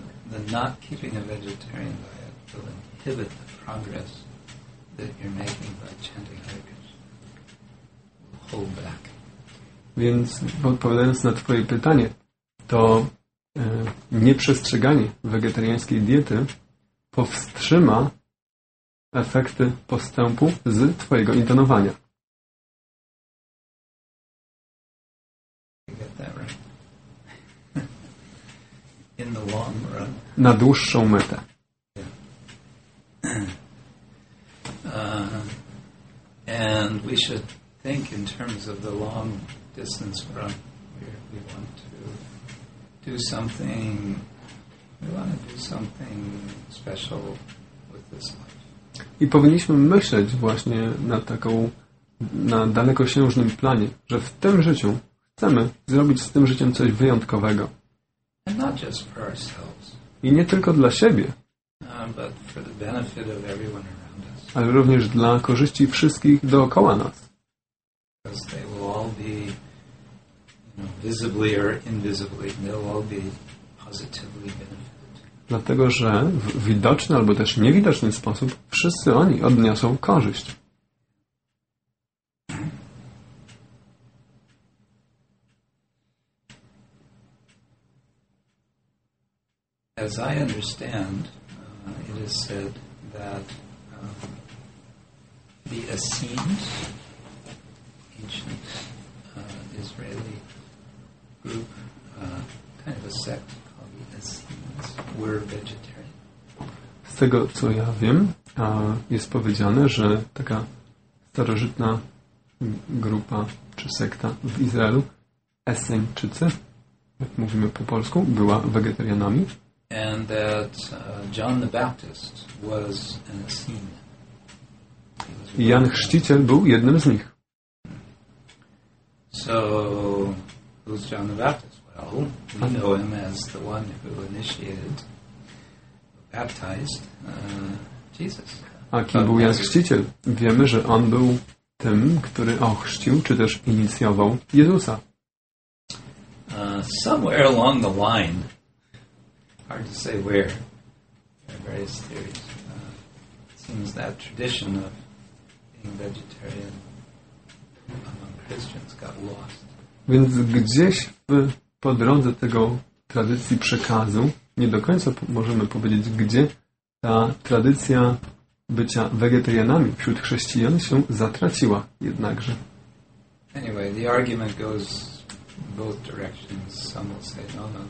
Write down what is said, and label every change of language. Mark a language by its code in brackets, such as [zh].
[en] than not keeping a vegetarian diet will inhibit the progress that you're making by chanting Hare Krishna. Hold back. [pl] Więc odpowiadając na twoje pytanie, to nieprzestrzeganie wegetariańskiej diety powstrzyma efekty postępu z twojego intonowania. [en] In the long run. [pl] Na dłuższą metę. [en] And we should think in terms of the long distance run. We want to do something. We want to do something special with this life. [pl] I powinniśmy myśleć właśnie na taką, na dalekosiężnym planie, że w tym życiu chcemy zrobić z tym życiem coś wyjątkowego. [en] And not just for ourselves. [pl] I nie tylko dla siebie, [en] but for the benefit of everyone around us. [pl] Ale również dla korzyści wszystkich dookoła nas. [en] Because they will all be, you know, visibly or invisibly, they'll all be positively benefited. [pl] Dlatego, że w widoczny albo też niewidoczny sposób wszyscy oni odniosą korzyść. [en] As I understand, it is said that the Essenes, ancient Israeli group, kind of a sect called the Essenes, were vegetarian. [pl] Z tego, co ja wiem, jest powiedziane, że taka starożytna grupa czy sekta w Izraelu, Esenczycy, jak mówimy po polsku, była wegetarianami. [en] And that John the Baptist was an Essene. [pl] Jan Chrzciciel był jednym z nich. [en] So, who's John the Baptist? Well, we know him as the one who initiated, baptized Jesus. [pl] A kim był Jan Chrzciciel? Wiemy, że on był tym, który ochrzcił, czy też inicjował Jezusa. [en] Somewhere along the line, hard to say where, there are various theories. It seems that tradition of being vegetarian among Christians got lost. [pl] Więc gdzieś po drodze tego tradycji przekazu, nie do końca możemy powiedzieć gdzie, ta tradycja bycia wegetarianami wśród chrześcijan się zatraciła jednakże. [en] Anyway, the argument goes both directions. Some will say no.